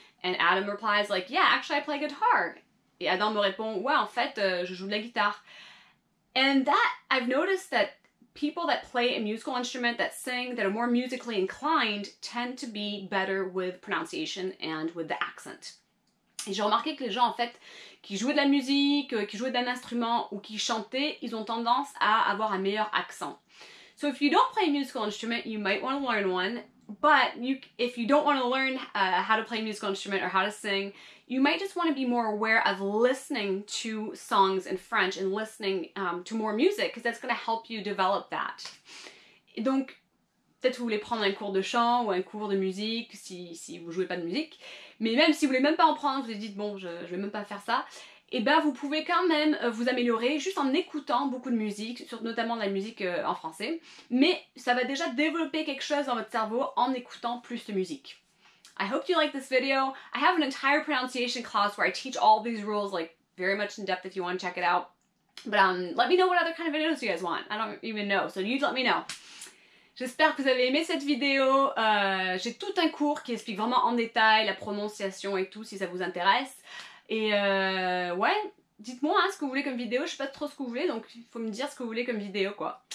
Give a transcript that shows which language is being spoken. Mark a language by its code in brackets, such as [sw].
[en] And Adam replies like, yeah, actually, I play guitar. [fr] Et Adam me répond, ouais, en fait, je joue de la guitare. [en] And that, I've noticed that people that play a musical instrument, that sing, that are more musically inclined, tend to be better with pronunciation and with the accent. [fr] Et j'ai remarqué que les gens, en fait, qui jouaient de la musique, qui jouaient d'un instrument ou qui chantaient, ils ont tendance à avoir un meilleur accent. [en] So if you don't play a musical instrument, you might want to learn one. But you, if you don't want to learn how to play a musical instrument or how to sing, you might just want to be more aware of listening to songs in French and listening to more music, because that's going to help you develop that. [fr] Et donc, peut-être vous voulez prendre un cours de chant ou un cours de musique si vous ne jouez pas de musique. Mais même si vous ne voulez même pas en prendre, vous vous dites, bon, je ne vais même pas faire ça. Et bien, vous pouvez quand même vous améliorer juste en écoutant beaucoup de musique, notamment de la musique en français. Mais ça va déjà développer quelque chose dans votre cerveau en écoutant plus de musique. [en] I hope you like this video. I have an entire pronunciation class where I teach all these rules like very much in depth if you want to check it out. But let me know what other kind of videos you guys want. I don't even know, so you let me know. [fr] J'espère que vous avez aimé cette vidéo. J'ai tout un cours qui explique vraiment en détail la prononciation et tout si ça vous intéresse. Et ouais, dites-moi hein, ce que vous voulez comme vidéo. Je sais pas trop ce que vous voulez, donc il faut me dire ce que vous voulez comme vidéo quoi.